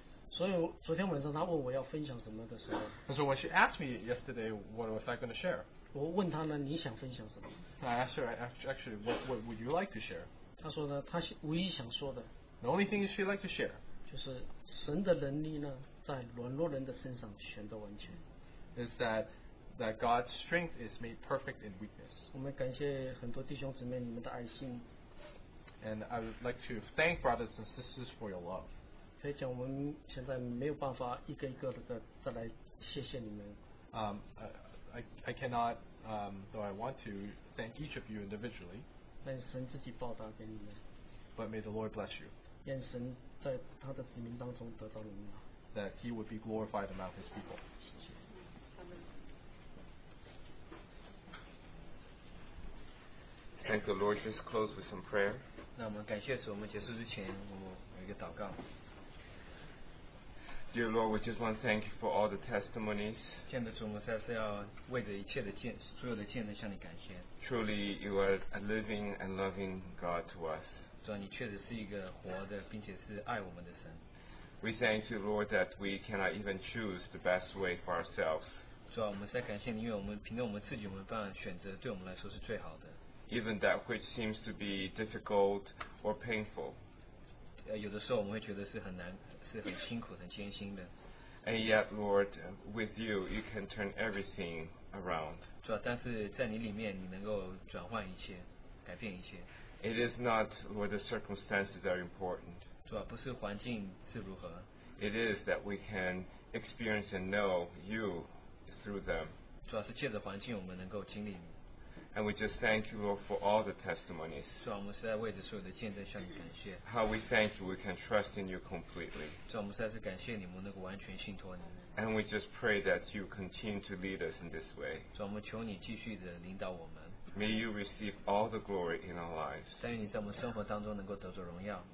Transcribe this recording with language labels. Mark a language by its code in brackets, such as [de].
[zh] 所以昨天晚上她问我要分享什么的时候 [en] ，And so when she asked me yesterday, what was I going to share? [zh] 我问她呢，你想分享什么 [en] ？I asked her actually, what would you like to share? [zh] 她说呢，她唯一想说的 [en] ，The only thing she'd like to share, [zh] 就是神的能力呢，在软弱人的身上全都完全。 [en] Is that God's strength is made perfect in weakness. [zh] 我们感谢很多弟兄姊妹你们的爱心。 [en] And I would like to thank brothers and sisters for your love. [zh] 可以讲我们现在没有办法一个一个的再来谢谢你们。 [en] I cannot, though I want to, thank each of you individually. [zh] 愿神自己报答给你们。 [en] But may the Lord bless you. [zh] 愿神在他的子民当中得着荣耀。 [en] That he would be glorified among his people. Thank the Lord. Just close with some prayer. [zh] 那我们感谢主，我们结束之前，我们有一个祷告。 [en] Dear Lord, we just want to thank you for all the testimonies. [zh] 天主, 所有的见证向你感谢。 [en] Truly, you are a living and loving God to us. [zh] 主啊,你确实是一个活的,并且是爱我们的神。 [en] We thank you, Lord, that we cannot even choose the best way for ourselves. [zh] 主啊,我们实在感谢你,因为我们凭着我们自己,我们办法选择,对我们来说是最好的。 [en] Even that which seems to be difficult or painful. [zh] 有的时候我们会觉得是很难,是很辛苦,很艰辛的。 [en] And yet, Lord, with you, you can turn everything around. [zh] 主啊,但是在你里面,你能够转换一切,改变一切。 [en] It is not where the circumstances are important. [zh] 主啊,不是环境是如何。 [en] It is that we can experience and know you through them. [zh] 主啊,是借着环境我们能够经历你。 [en] And we just thank you, Lord, for all the testimonies. [zh] 主啊,我们实在为着所有的见证向你感谢。 [en] How we thank you, we can trust in you completely. [zh] 主啊,我们实在是感谢你,我们能够完全信托你。 [en] And we just pray that you continue to lead us in this way. [zh] 主啊,我们求你继续地领导我们。 [en] May you receive all the glory in our lives. [zh] 但愿你在我们生活当中能够得着荣耀。